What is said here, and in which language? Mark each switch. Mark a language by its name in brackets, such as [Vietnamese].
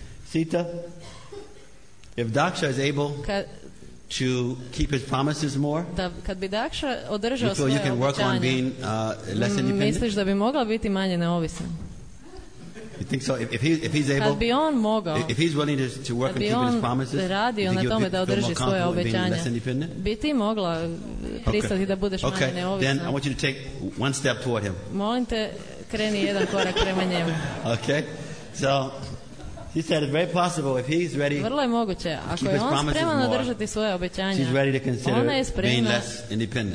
[English] Sita, if Daksha is able to keep his promises more. [Croatian] Da kad bi Daksha održao svoje [English] you can work on being less independent. [Croatian] Misliš da bi mogla biti manje neovisna? [English] You think so? If he's able. [Croatian] Kad bi on mogao. [English] If he's willing to work on keeping his promises. [Croatian] Radio na tome da održi svoje obećanje. Bi ti mogla pristati da budeš manje neovisna? [English] Okay. Then I want you to take one step toward him. [Croatian] Molim te kreni jedan korak prema njemu. [English] Okay. So she said it's very possible if he's ready. [Croatian] Vrlo je moguće ako je on spreman održati svoje obećanje. [English] She's ready to consider [Croatian] ona je spremna [English] being less independent.